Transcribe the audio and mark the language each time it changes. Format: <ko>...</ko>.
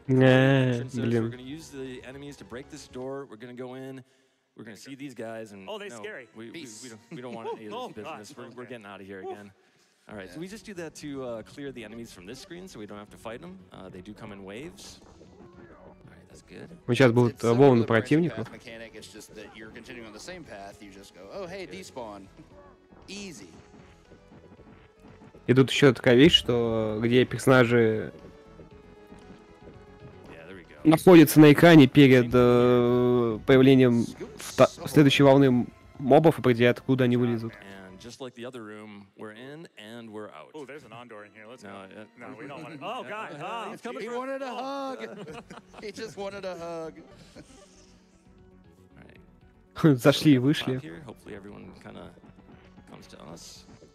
<en>Yeah. We're gonna use the enemies to break this door. We're gonna go in. We're gonna see these guys and oh, they're no, scary. We don't want any of this business. Oh, we're getting out of here again. All right, so we just do that to clear the enemies from this screen, so we don't have to fight them. They do come in waves.</en> <ru>Мы сейчас будут волны противников. И тут еще такая вещь, что где персонажи находятся на экране перед появлением следующей волны мобов, определяют, откуда они вылезут.</ru> <en>Just like the other room we're in, and we're out. Oh, there's an Andor in here. Let's no, go. No, we don't want to. Oh, God. Oh, he's coming. He wanted a hug. He just wanted a hug. All right.</en> <ru>Зашли и вышли.</ru> <en>Hopefully everyone kind of comes to us.</en>